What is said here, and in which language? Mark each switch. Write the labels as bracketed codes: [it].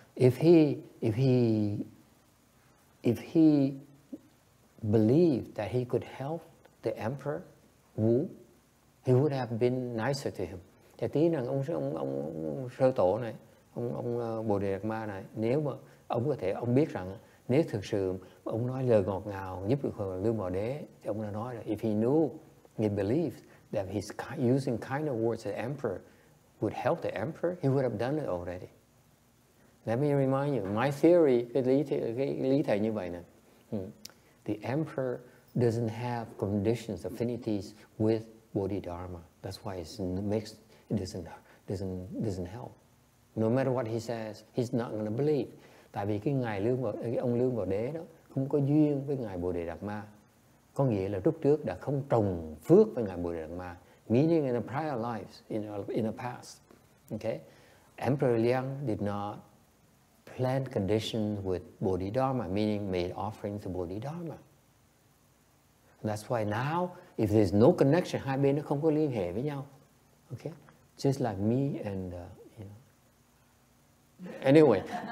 [en] If he believed that he could help the emperor Wu, he would have been nicer to him. [vi] Thầy tin rằng ông sơ tổ này, ông Bồ Đề Đạt Ma này, nếu mà ông có thể, ông biết rằng nếu thực sự ông nói lời ngọt ngào giúp được Lưu Bồ Đế, thì ông đã nói là [en] if he knew, he believed that he's using kind of words the emperor would help the emperor, he would have done it already. Let me remind you, my theory, [vi] cái lý thầy như vậy này. [en] The emperor doesn't have conditions, affinities with Bodhidharma. That's why it's mixed. It doesn't help. No matter what he says, he's not going to believe. [vi] Tại vì ông Lương Bồ Đế đó không có duyên với ngài Bồ Đề Đạt Ma. Có nghĩa là lúc trước đã không trồng phước với ngài Bồ Đề Đạt Ma. [en] Meaning in the prior lives, in the past. Okay, Emperor Liang did not plant conditions with Bodhidharma. Meaning made offerings to Bodhidharma. That's why now, if there's no connection, [vi] hai bên nó không có liên hệ với nhau. [en] Okay? Just like me and, you know. Anyway.